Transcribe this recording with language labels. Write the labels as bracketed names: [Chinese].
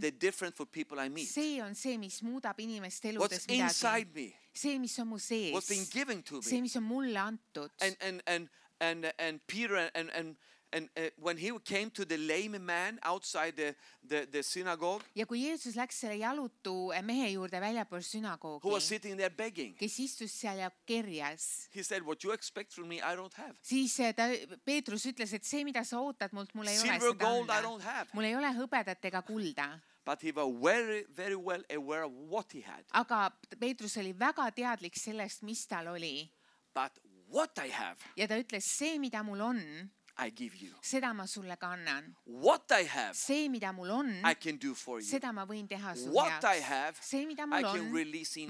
[English] the difference for people I meet. [Estonian] See on see, mis muudab inimest eludes [English] What's [Estonian] midagi. [English] Inside me? [Estonian] See, mis on mu sees. [English] What's been given to me? [Estonian] See, mis on mulle antud. [English] And Peter and when he came to the lame man outside the synagogue. [Estonian] Ja kui Jeesus läks selle jalutu mehe juurde väljapool synagogue. [English] Who was sitting there begging? [Estonian] Kes istus seal ja kerjas. [English] He said, "What you expect from me, I don't have." [Estonian] Siis ta Peetrus ütles, et see mida sa ootad mult, mul ei ole seda. [English] Silver gold I don't have. [Estonian] Mul ei ole hõbedat ega kulda. [English] But he was very, very well aware of what he had. [Estonian] Aga Peetrus oli väga teadlik sellest, mis tal oli. [English] But what I have. [Estonian] Ja ta ütles, see mida mul on. [English] I give you. [Estonian] Seda ma sulle kannan. [English] What I have. [Estonian] See, mida mul on. [English] I can do for you. [Estonian] Seda ma võin teha sulle. [English] What I have. [Estonian] See, mida mul on. [English] I can release into you.